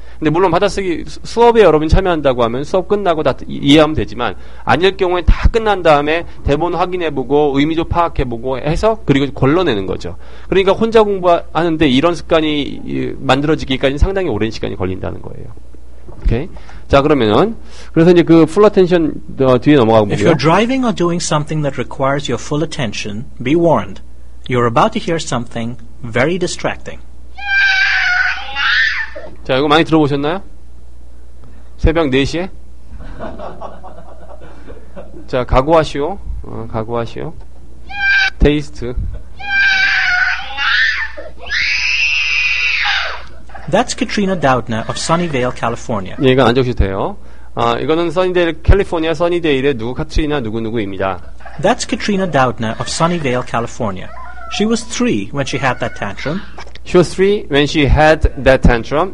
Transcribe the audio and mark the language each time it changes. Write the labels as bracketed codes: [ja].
[ko] 근데 물론 받아쓰기 수업에 여러분이 참여한다고 하면 수업 끝나고 다 이해하면 되지만 아닐 경우에 다 끝난 다음에 대본 확인해보고 의미도 파악해보고 해서 그리고 걸러내는 거죠. 그러니까 혼자 공부하는데 이런 습관이 만들어지기까지는 상당히 오랜 시간이 걸린다는 거예요. 오케이? 자 그러면은 그래서 이제 그 full attention 뒤에 넘어가고 [en] If you're driving or doing something that requires your full attention, be warned. You're about to hear something very distracting. [ko] 자, 이거 많이 들어보셨나요? 새벽 4시에? 자, 각오하시오. 각오하시오. Taste. [en] That's Katrina Doudna of Sunnyvale, California. [ko] 예, 이건 안 적으셨대요. 이거는 써니데일, 캘리포니아 써니데일의 누구 카트리나 누구누구입니다. [en] That's Katrina Doudna of Sunnyvale, California. She was three when she had that tantrum. She was three when she had that tantrum.